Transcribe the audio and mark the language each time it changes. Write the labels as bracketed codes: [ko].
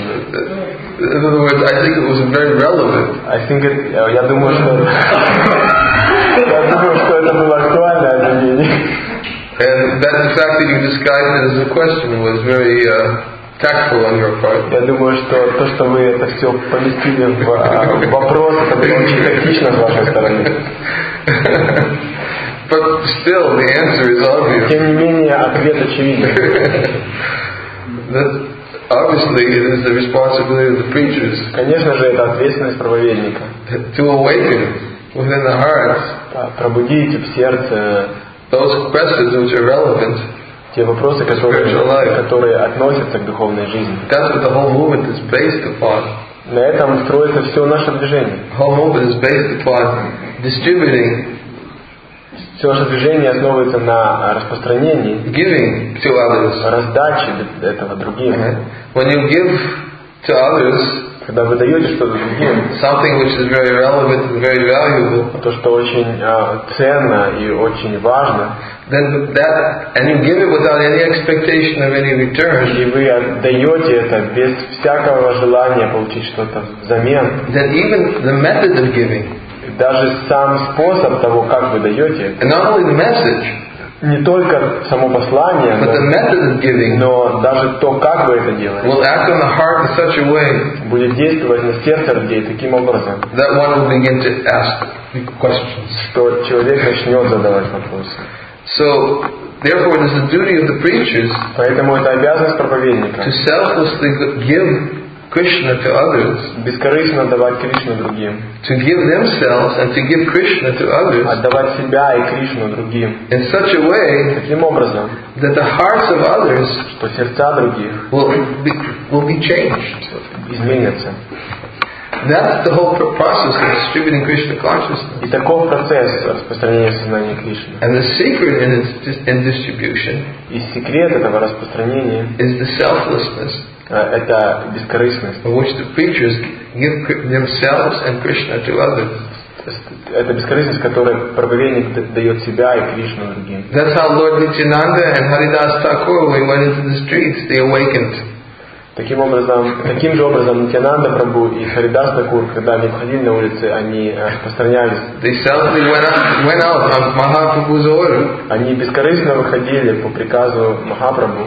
[en] In other words, I think it was very relevant. I think it. [ru] Я думаю, что это было актуальное обвинение. [en] And that the fact that you disguised it as a question was very tactful on your part. [ru] Я думаю, что то, что вы это все поместили в вопрос, это было очень тактично с вашей стороны. [en] But still, the answer is obvious. [ru] Тем не менее, ответ очевиден. [en] That obviously it is the responsibility of the preachers. [ru] Конечно же, это ответственность проповедника. [en] To awaken within the hearts. [ru] Пробудить в сердце. [en] Those questions which are relevant. [ru] Те вопросы, которые относятся к духовной жизни. [en] That's what the whole movement is based upon. [ru] На этом строится все наше движение. [en] The whole movement is based upon distributing. [ru] Все ваше движение основывается на распространении, [en] giving to others, [ru] раздаче этого другим. [en] When you give to others, [ru] когда вы даете что-то другим, [en] something which is very relevant and very valuable, [ru] то что очень ценно и очень важно, [en] then that, and you give it without any expectation of any return, [ru] и вы отдаете это без всякого желания получить что-то взамен, [en] then even the method of giving, [ru] даже сам способ того, как вы даете, [en] and not only the message, [ru] не только само послание, [en] but the method of giving, [ru] но даже то, как вы это делаете, [en] will act on the heart in such a way, [ru] будет действовать на сердце людей таким образом, [en] that one will begin to ask questions, [ru] что человек начнет задавать вопросы. [en] So, therefore, it is the duty of the preachers, [ru] поэтому это обязанность проповедника, [en] to selflessly give Krishna to others, [ru] бескорыстно давать Кришну другим, [en] to give themselves and to give Krishna to others, [ru] отдавать себя и Кришну другим, [en] in such a way, [ru] таким образом, [en] that the hearts of others, [ru] что сердца других, [en] will be changed, [ru] изменятся. [en] That's the whole process of distributing Krishna consciousness. [ru] И таков процесс распространения сознания Кришны. [en] And the secret in its in distribution, [ru] и секрет этого распространения, [en] is the selflessness, [ru] это бескорыстность, [en] in which the preachers give themselves and Krishna to others. [ru] Это бескорыстность, которой проповедник дает себя и Кришну другим. [en] That's how Lord Nityananda and Haridas Thakur, when he went into the streets, they awakened. [ru] Таким образом, таким же образом Нитьянанда Прабху и Харидас Такур, когда они входили на улицы, они распространялись. [en] They selflessly went out on Mahaprabhu's order. [ru] Они бескорыстно выходили по приказу Махапрабху.